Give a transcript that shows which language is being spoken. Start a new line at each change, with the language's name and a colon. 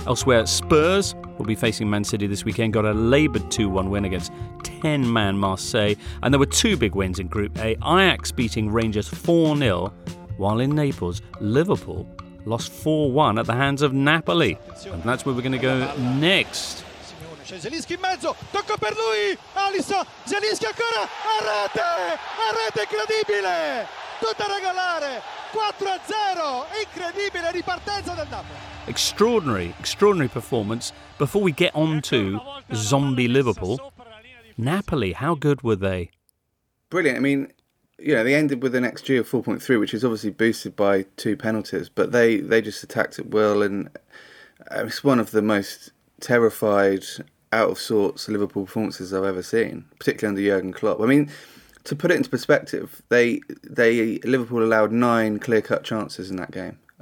English: Elsewhere, Spurs will be facing Man City this weekend, got a laboured 2-1 win against 10-man Marseille. And there were two big wins in Group A, Ajax beating Rangers 4-0, while in Naples, Liverpool lost 4-1 at the hands of Napoli. And that's where we're going to go next.
Italian: Zielinski in mezzo, tocco per lui, Alisson, Zielinski ancora, a rete incredibile, tutta regolare, 4-0, incredibile ripartenza del Napoli.
English: Extraordinary, extraordinary performance. Before we get on to zombie Liverpool, Napoli, how good were they? Brilliant. I mean, you know, they ended with an XG of 4.3, which is obviously boosted by two penalties, but they just attacked at will, and it was one of the most terrified, out-of-sorts Liverpool performances I've ever seen, particularly under Jurgen Klopp. I mean, to put it into perspective, Liverpool allowed 9 clear-cut chances in that game.